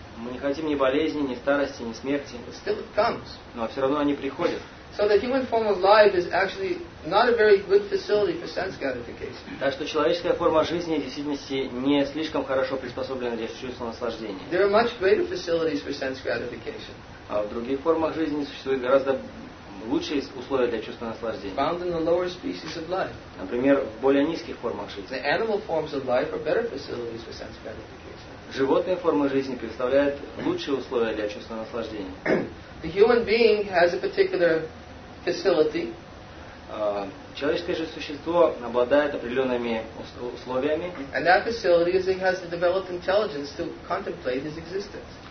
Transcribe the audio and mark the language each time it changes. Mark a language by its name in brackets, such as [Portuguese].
[Russian] Мы не хотим ни болезни, ни старости, ни смерти. [English] But still it comes. [Russian] Но все равно они приходят. [English] So the human form of life is actually not a very good facility for sense gratification. [Russian] Так что человеческая форма жизни в действительности не слишком хорошо приспособлена для чувственного наслаждения. [English] There are much greater facilities for sense gratification. [Russian] А в других формах жизни существуют гораздо лучшие условия для чувственного наслаждения. [English] Found in the lower species of life. [Russian] Например, в более низких формах жизни. [English] The animal forms of life are better facilities for sense gratification. [Russian] Животные формы жизни представляют лучшие условия для чувственного наслаждения. [English] The human being has a particular facility. [Russian] Человеческое же существо обладает определенными условиями. [English] And that facility is he has to develop intelligence to contemplate his existence.